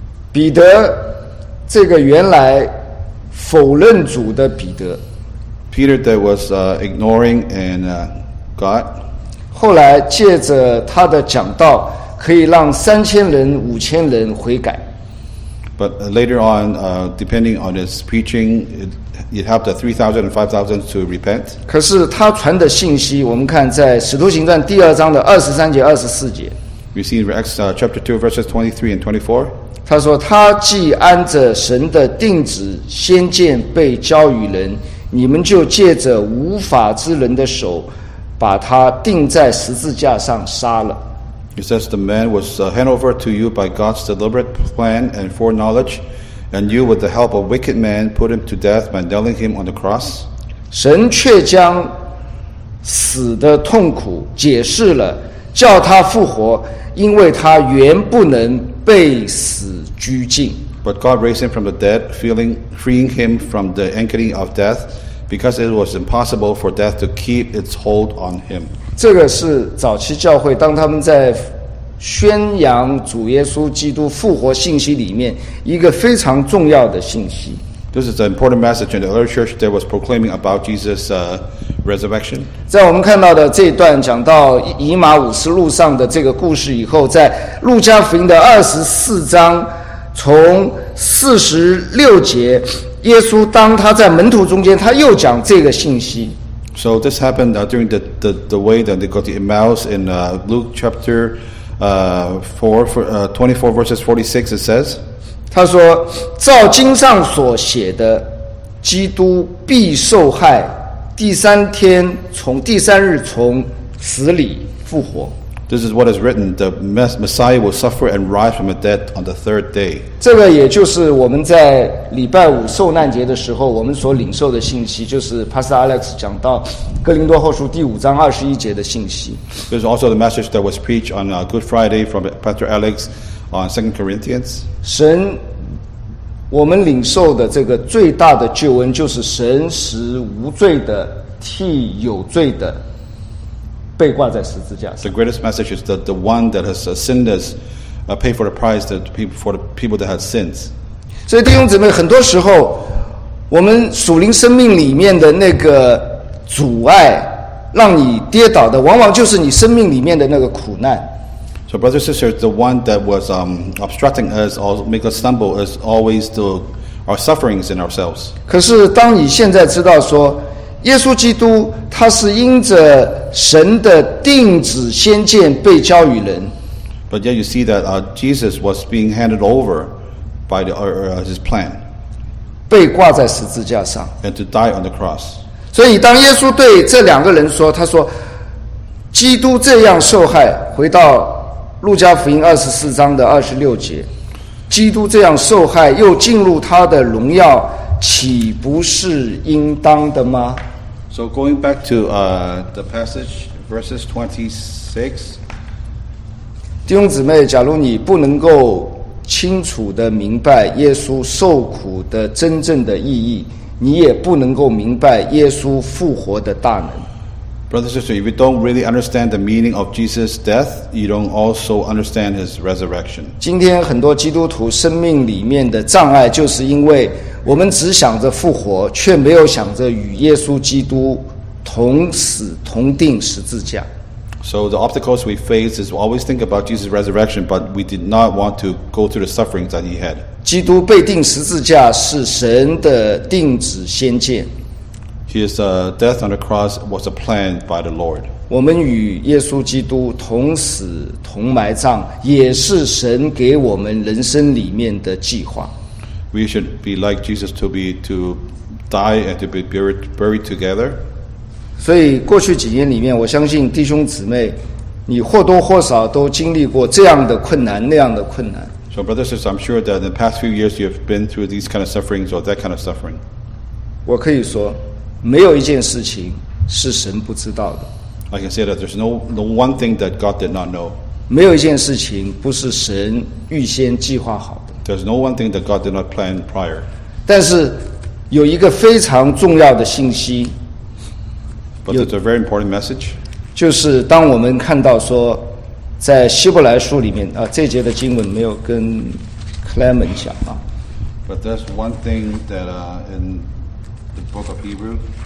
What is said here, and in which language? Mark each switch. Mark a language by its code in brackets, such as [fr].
[zh] 彼得，这个原来否认主的彼得 [en] ，Peter that was ignoring and God， [zh] 后来借着他的讲道，可以让三千人、五千人悔改。 [en] But later on, depending on his preaching, it helped 3,000 and 5,000 to repent. [zh] 可是他传的信息，我们看在《使徒行传》第二章的二十三节、二十四节。 [en] We see in Acts chapter 2 verses 23 and 24. [zh] 他说他既按着神的定旨先见被交与人，你们就借着无法之人的手把他钉在十字架上杀了。 [en] It says the man was handed over to you by God's deliberate plan and foreknowledge, and you with the help of wicked men put him to death by nailing him on the cross. [zh] 神却将死的痛苦解释了，叫他复活，因为他原不能被死拘禁。 [en] But God raised him from the dead, freeing him from the anchoring of death, because it was impossible for death to keep its hold on him. [zh] 这个是早期教会，当他们在宣扬主耶稣基督复活信息里面一个非常重要的信息。 [en] This is an important message in the early church that was proclaiming about Jesus' resurrection. [zh] 在我们看到的这一段讲到以马五十路上的这个故事以后，在路加福音的二十四章从四十六节，耶稣当他在门徒中间，他又讲这个信息。 [en] So this happened during the way that they got the Emmaus in Luke chapter 24 verses 46. It says. [zh] 他说照经上所写的基督必受害第三日从死里复活。 [en] This is what is written, the Messiah will suffer and rise from the dead on the third day. [zh] 这个也就是我们在礼拜五受难节的时候我们所领受的信息，就是 Pastor Alex 讲到哥林多后书第五章二十一节的信息。 [en] This is also the message that was preached on Good Friday from Pastor Alex. On 2 Corinthians, [zh] 神，我们领受的这个最大的救恩，就是神使无罪的替有罪的被挂在十字架上。 [en] The greatest message is that the one that has sinned has paid for the price that for the people that have sins. [zh] 所以弟兄姊妹，很多时候我们属灵生命里面的那个阻碍，让你跌倒的，往往就是你生命里面的那个苦难。 [en] So, brothers and sisters, the one that was obstructing us or make us stumble is always our sufferings in ourselves. [zh] 可是当你现在知道说耶稣基督他是因着神的定旨先见被交与人。 [en] But yet you see that Jesus was being handed over by his plan. [zh] 被挂在十字架上。 [en] And to die on the cross. [zh] 所以当耶稣对这两个人说，他说基督这样受害，回到路加福音二十四章的二十六节，基督这样受害又进入他的荣耀，岂不是应当的吗？ [en] So going back to the passage verses 26, [zh] 弟兄姊妹，假如你不能够清楚的明白耶稣受苦的真正的意义，你也不能够明白耶稣复活的大能。 [en] Brothers and sisters, if you don't really understand the meaning of Jesus' death, you don't also understand his resurrection. [zh] 今天很多基督徒生命里面的障碍，就是因为我们只想着复活，却没有想着与耶稣基督同死同钉十字架。 [en] So the obstacles we face is always think about Jesus' resurrection, but we did not want to go through the sufferings that he had. [zh] 基督被钉十字架是神的钉子先见。 [en] His death on the cross was a plan by the Lord. [zh] 我们与耶稣基督同死同埋葬，也是神给我们人生里面的计划。 [en] We should be like Jesus to be to die and to be buried together. [zh] 所以过去几年里面，我相信弟兄姊妹，你或多或少都经历过这样的困难，那样的困难。 [en] So brothers and sisters, I'm sure that in the past few years you have been through these kind of sufferings or that kind of suffering. [zh] 我可以说没有一件事情是神不知道的。 [en] I can say that there's no one thing that God did not know. [zh] 没有一件事情不是神预先计划好的。 [en] There's no one thing that God did not plan prior. [zh] 但是有一个非常重要的信息。 [en] But it's a very important message. [zh] 就是当我们看到说在希伯来书里面啊，这节的经文没有跟 Clement 讲啊。 [en] But there's one thing that in Book of Hebrew.